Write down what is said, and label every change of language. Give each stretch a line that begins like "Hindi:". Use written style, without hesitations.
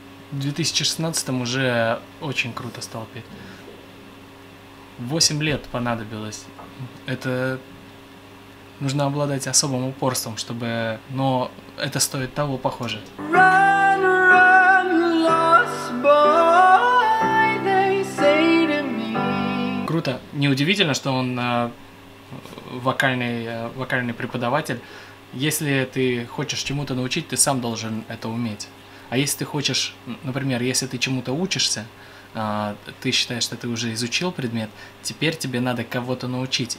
Russian: В 2016-м уже очень круто стал петь. 8 лет понадобилось. Это... Нужно обладать особым упорством, чтобы... Но это стоит того, похоже.
English: Run, run, lost boy, they say to me.
Russian: Круто. Неудивительно, что он вокальный преподаватель. Если ты хочешь чему-то научить, ты сам должен это уметь. А если ты хочешь... Например, если ты чему-то учишься, ты считаешь, что ты уже изучил предмет, теперь тебе надо кого-то научить.